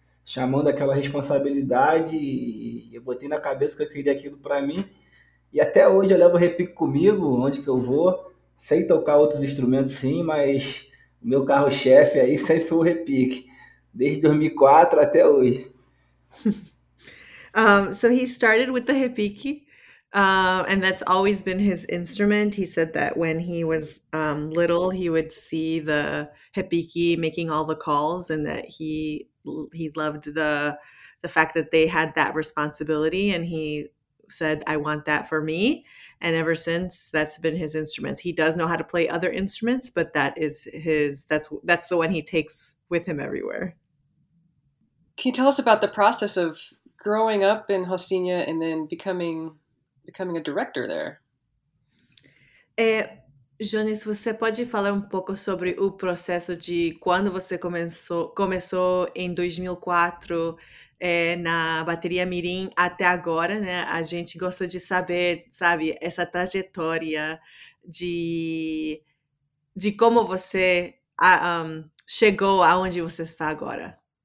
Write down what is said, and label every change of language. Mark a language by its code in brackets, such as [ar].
[pt] Chamando aquela responsabilidade, e eu botei na cabeça que eu queria aquilo para mim. E até hoje eu levo o repique comigo, onde que eu vou. Sei tocar outros instrumentos sim, mas o meu carro-chefe aí sempre foi o repique, desde 2004 até hoje. [en] So he started with the repique, and that's always been his instrument. He said that when he was little, he would see the repique making all the calls, and that he loved the the fact that they had that responsibility, and he said, I want that for me. And ever since, that's been his instruments. He does know how to play other instruments, but that is his, that's the one he takes with him everywhere. Can you tell us about the process of growing up in Hosinia and then becoming a director there? [pt] Jhones, você pode falar pouco sobre o processo de quando você começou em 2004 na bateria Mirim até agora, né? A gente gosta de saber, sabe, essa trajetória de como você chegou aonde você está agora.